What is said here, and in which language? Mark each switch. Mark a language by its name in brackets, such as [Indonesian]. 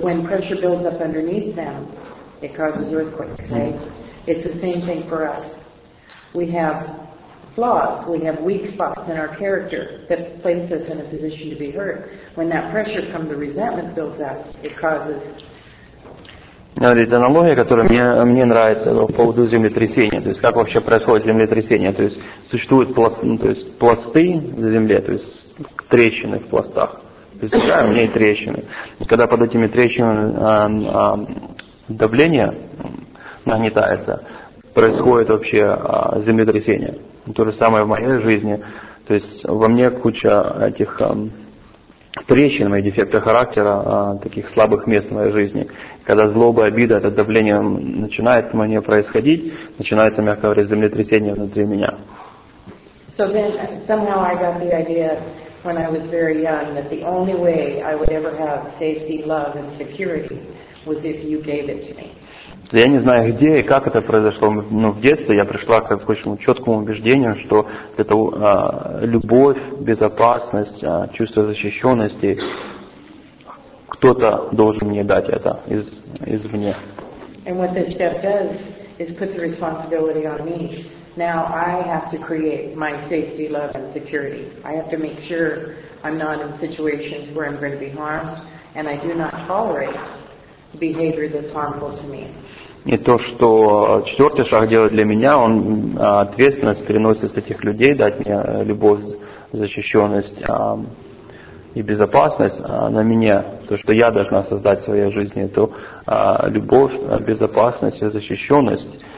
[English] When pressure builds up underneath them, it causes earthquakes. Mm-hmm. Right? It's the same thing for us. We have flaws. We have weak spots in our character that place us in a position to be hurt. When that pressure from the resentment builds up, it causes. [Russian] Говорит, аналогия, которая мне нравится, по поводу землетрясения, то есть как вообще происходит землетрясение, то есть существуют пласты на земле, то есть трещины в пластах, то есть да, в ней трещины. И когда под этими трещинами давление нагнетается, происходит вообще землетрясение. То же самое в моей жизни, то есть во мне куча этих трещин, мои дефекты характера, таких слабых мест в моей жизни. Когда злоба, обида, это давление начинает на меня происходить, начинается, мягко говоря, землетрясение внутри меня. [English] So then somehow I got the idea when I was very young that the only way I would ever have safety, love and security was if you gave it to me. [Russian] Я не знаю, где и как это произошло, но в детстве я пришла к очень четкому убеждению, что это любовь, безопасность, чувство защищенности, кто-то должен мне дать это извне. [English] And what this step does is put the responsibility on me Now I have to create my safety, love, and security. I have to make sure I'm not in situations where I'm going to be harmed, and I do not tolerate behavior that's harmful to me. [Russian] И то, что четвертый шаг делает для меня, он ответственность переносит с этих людей, дать мне любовь, защищенность и безопасность на меня. То, что я должна создать в своей жизни, эту любовь, безопасность и защищенность.